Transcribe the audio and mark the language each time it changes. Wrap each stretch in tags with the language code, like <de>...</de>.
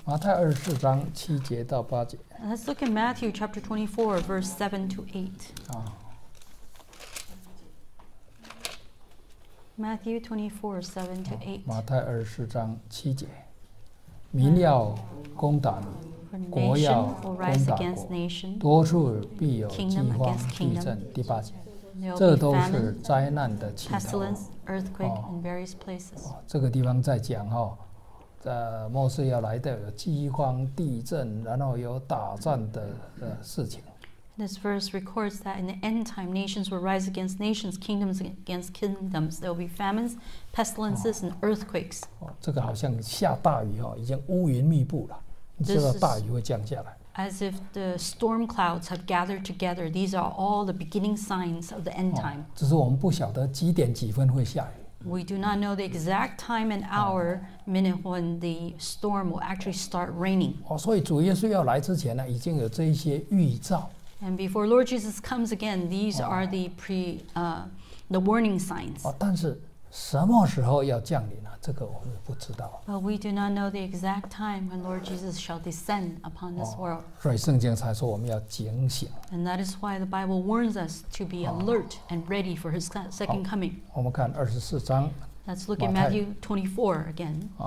<zh>马太二十四章七节到八节。</zh> <en>Let's look at Matthew chapter 24, verse 7 to 8. Matthew 24, 7 to 8.</en> <zh>马太二十四章七节。民要攻打你，国要攻打国，多处必有饥荒、地震。第八节。这都是灾难的起头。</zh> <en>Pestilence, earthquake in various places.</en> <zh>这个地方在讲末世要来的有饥荒、地震，然后有打仗的事情。</zh> <en>This verse records that in the end time, nations will rise against nations, kingdoms against kingdoms. There will be famines, pestilences, and earthquakes.</en> <zh>这个好像下大雨已经乌云密布了，你知道大雨会降下来。</zh> <en>As if the storm clouds have gathered together, these are all the beginning signs of the end time.</en> <zh>只是我们不晓得几点几分会下雨。</zh> <en>We do not know the exact time and hour, minute when the storm will actually start raining.</en> <zh>所以主耶稣要来之前已经有这一些预兆。</zh> <en>And before Lord Jesus comes again, these are the warning signs.</en> <zh>但是什么时候要降临这个我们不知道。</zh> <en>But we do not know the exact time when Lord Jesus shall descend upon this world.</en> <zh>所以圣经才说我们要警醒。</zh> <en>And that is why the Bible warns us to be alert and ready for His second coming.</en> <zh>我们看二十四章。</zh> <en>Let's look at Matthew 24 again.</en>